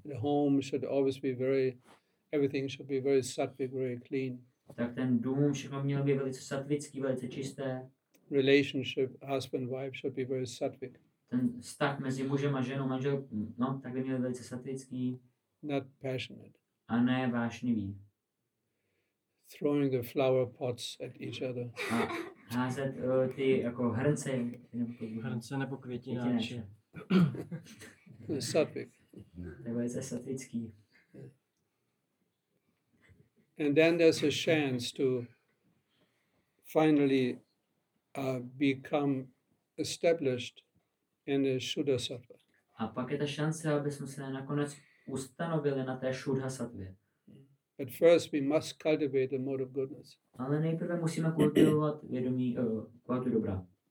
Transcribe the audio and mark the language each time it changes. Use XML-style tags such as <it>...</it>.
<en>The home should always be very, everything should be very sattvic, very clean.</en> <cs>Tak ten dům všechno mělo být velice sattvický, velice čisté.</cs> <en>Relationship husband wife should be very sattvic.</en> <cs>Ten vztah mezi mužem a ženou, manžel, no, tak by měl být velice sattvický.</cs> <en>Not passionate.</en> <cs>A ne vášnivý.</cs> <en>Throwing the flower pots at each other.</en> <cs>A házet ty jako hrnce. Hrnce nebo květináče.</cs> <en>Sattvic.</en> <cs>To je velice sattvický.</cs> <en>And then there's a chance to finally become established in the Shuddha Sattva.</en> <cs>A pak je ta šance, abychom se nakonec ustanovili na té Shuddha Sattvě.</cs> <en>But first we must cultivate the mode of goodness.</en> <cs>Ale nejprve musíme kultivovat vědomí kvalitu dobra.</cs>